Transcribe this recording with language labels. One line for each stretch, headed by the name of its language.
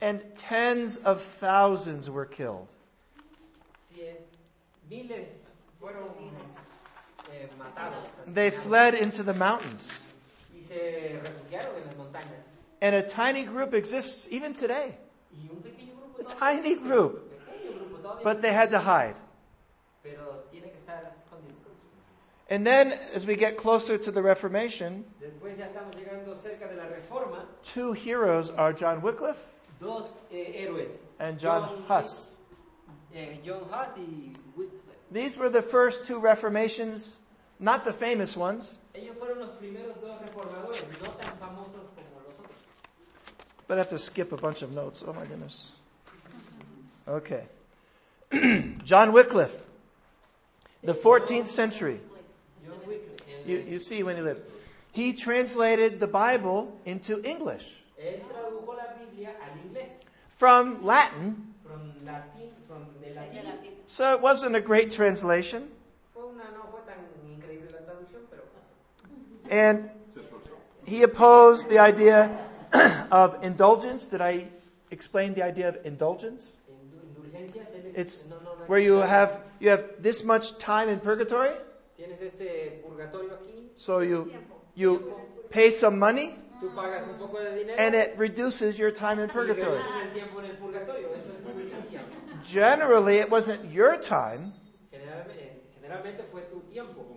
English: And tens of thousands were killed.
Spanish: Miles fueron, matados.
English: They fled into the mountains.
Spanish: Y se refugiaron en las montañas.
English: And a tiny group exists even today.
Spanish: Y un pequeño grupo,
English: a tiny group. But they had to hide.
Spanish: Pero tiene que estar escondido.
English: And then, as we get closer to the Reformation,
Spanish: después ya estamos llegando cerca de la Reforma,
English: two heroes are John Wycliffe
Spanish: dos, héroes,
English: and John Huss.
Spanish: John Huss y Wycliffe.
English: These were the first two Reformations, not the famous ones.
Spanish: Ellos fueron los primeros dos reformadores, no tan famosos como los otros.
English: But I have to skip a bunch of notes. Oh, my goodness. Okay. John Wycliffe, the 14th century. You see when he lived. He translated the Bible into English.
Spanish: Él tradujo la Biblia al inglés.
English: From Latin. From Latin, from the Latin. So it wasn't a great translation.
Spanish: No fue tan increíble la traducción, pero...
English: And he opposed the idea of indulgence. Did I explain the idea of indulgence? It's where you have this much time in purgatory.
Spanish: ¿Tienes este purgatorio aquí?
English: So you pay some money.
Spanish: ¿Tú pagas un poco de dinero?
English: And it reduces your time in purgatory.
Spanish: Y reduces el tiempo en el purgatorio. Eso es indulgencia.
English: Generally, it wasn't your time.
Spanish: Generalmente fue tu tiempo.